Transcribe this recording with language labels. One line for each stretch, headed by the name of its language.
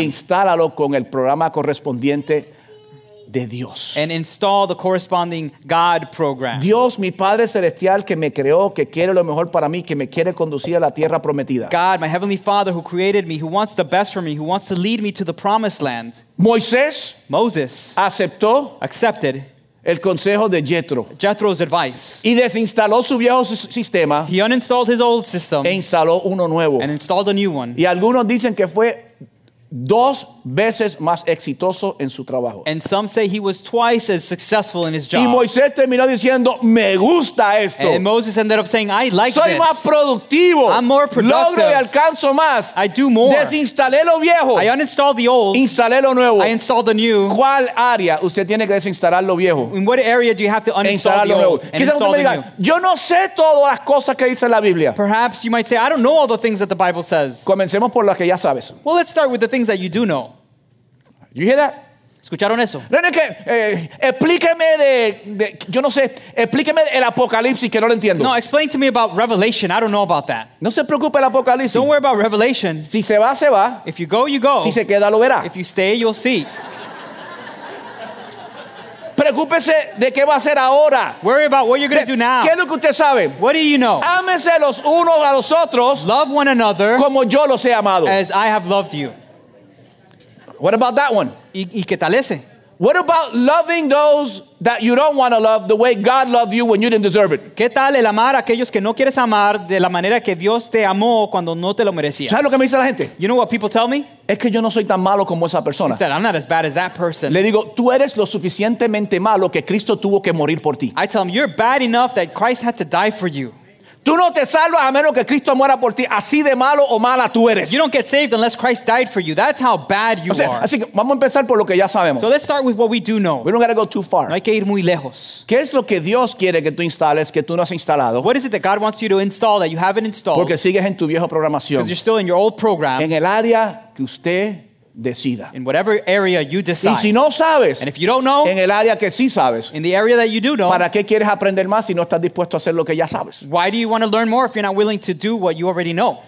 Spanish: Y instálalo con el programa correspondiente de Dios.
English: And install the corresponding God program.
Spanish: Dios, mi Padre Celestial, que me creó, que quiere lo mejor para mí, que me quiere conducir a la tierra prometida.
English: God, my Heavenly Father, who created me, who wants the best for me, who wants to lead me to the promised land.
Spanish: Moses aceptó
English: accepted
Spanish: el consejo de Jethro.
English: Jethro's advice.
Spanish: Y desinstaló su viejo sistema.
English: He uninstalled his old system.
Spanish: E instaló uno nuevo.
English: And installed a new one.
Spanish: Y algunos dicen que fue dos veces más exitoso en su trabajo.
English: And some say he was twice as successful in his job.
Spanish: Y Moisés terminó diciendo, me gusta esto.
English: And Moses ended up saying, I like
Spanish: Soy
English: this.
Spanish: Soy más productivo.
English: I'm more productive.
Spanish: Logro y alcanzo más.
English: I do more.
Spanish: Desinstalé lo viejo.
English: I uninstalled the old.
Spanish: Instalé lo nuevo.
English: I installed the new.
Spanish: ¿Cuál área usted tiene que desinstalar lo viejo?
English: In what area do you have to uninstall
Spanish: lo nuevo?
English: The old?
Spanish: Quizás usted me diga, yo no sé todas las cosas que dice la Biblia.
English: Perhaps you might say, I don't know all the things that the Bible says.
Spanish: Comencemos por las que ya sabes.
English: Well, let's start with the things that you do know. You hear that?
Spanish: ¿Escucharon eso? No, que explíqueme de yo no sé, explíqueme el Apocalipsis que no lo entiendo.
English: No, explain to me about Revelation. I don't know about that.
Spanish: No se preocupe el Apocalipsis.
English: Don't worry about Revelation.
Spanish: Si se va, se va.
English: If you go, you go.
Spanish: Si se queda, lo verá.
English: If you stay, you'll see.
Spanish: Preocúpese de qué va a hacer ahora.
English: Worry about what you're going to do now.
Spanish: ¿Qué es lo que usted sabe?
English: What do you know?
Spanish: Ámense los unos a los otros.
English: Love one another.
Spanish: Como yo los he amado.
English: As I have loved you. What about that one?
Spanish: ¿Y qué tal ese?
English: What about loving those that you don't want to love the way God loved you when you didn't deserve it?
Spanish: ¿Qué tal el amar a aquellos que no quieres amar de la manera que Dios te amó cuando no te lo merecías? ¿Sabes lo que me dice la gente?
English: You know what people tell me?
Spanish: Es que yo no soy tan malo como esa persona.
English: It's that I'm not as bad as that person.
Spanish: Le digo, tú eres lo suficientemente malo que Cristo tuvo que morir por ti.
English: I tell them, you're bad enough that Christ had to die for you.
Spanish: Tú no te salvas a menos que Cristo muera por ti. Así de malo o mala tú eres.
English: You don't get saved unless Christ died for you. That's how bad you
Spanish: o sea,
English: are.
Spanish: Así que vamos a empezar por lo que ya sabemos.
English: So let's start with what we do know. We don't got to go too far.
Spanish: No hay que ir muy lejos. ¿Qué es lo que Dios quiere que tú instales que tú no has instalado?
English: What is it that God wants you to install that you haven't installed?
Spanish: Porque sigues en tu viejo programación.
English: Because you're still in your old program.
Spanish: En el área que usted decida.
English: In whatever area you decide.
Spanish: Y si no sabes,
English: and if you don't know,
Spanish: en el área que sí sabes,
English: in the area that you do know,
Spanish: ¿para qué quieres aprender más si no estás dispuesto a hacer lo que ya sabes?
English: Why do you want to learn more if you're not willing to do what you already know?